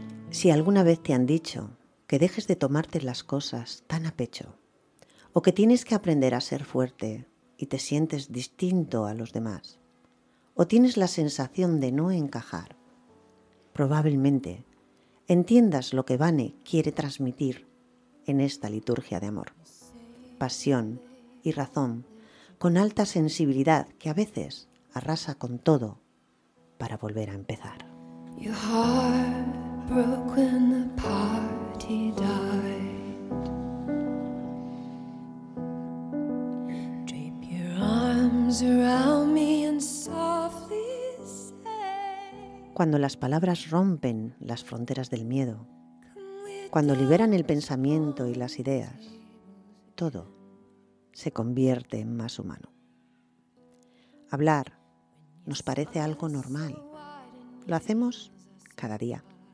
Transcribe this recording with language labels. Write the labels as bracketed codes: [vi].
[es] Si alguna vez te han dicho que dejes de tomarte las cosas tan a pecho, o que tienes que aprender a ser fuerte y te sientes distinto a los demás, o tienes la sensación de no encajar, probablemente entiendas lo que Vane quiere transmitir en esta liturgia de amor. Pasión y razón, con alta sensibilidad que a veces arrasa con todo para volver a empezar. [en] Your heart broke when the party died. Drape your arms around me and softly say. [es] Cuando las palabras rompen las fronteras del miedo, cuando liberan el pensamiento y las ideas, todo se convierte en más humano. Hablar nos parece algo normal. Lo hacemos cada día.